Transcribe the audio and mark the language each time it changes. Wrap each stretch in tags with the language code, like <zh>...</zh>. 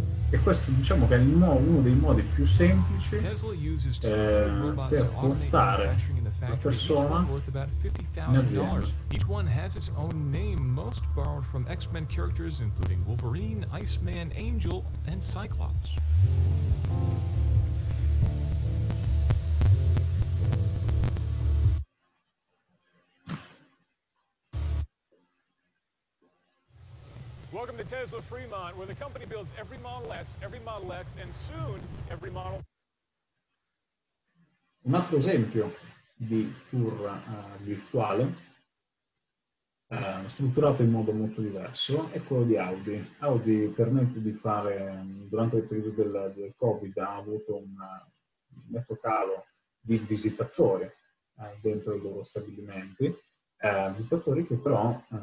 <it>E questo, diciamo, che è uno dei modi più semplici per portare la persona in azienda.</it> <en>Each one has its own name, most borrowed from X-Men characters, including Wolverine, Iceman, Angel, and Cyclops. Welcome to Tesla Fremont, where the company builds every Model S, every Model X, and soon every Model.</en> <it>Un altro esempio di tour virtuale, strutturato in modo molto diverso, è quello di Audi. Audi permette di fare, durante il periodo del Covid, ha avuto un netto calo di visitatori dentro i loro stabilimenti, visitatori che però</it>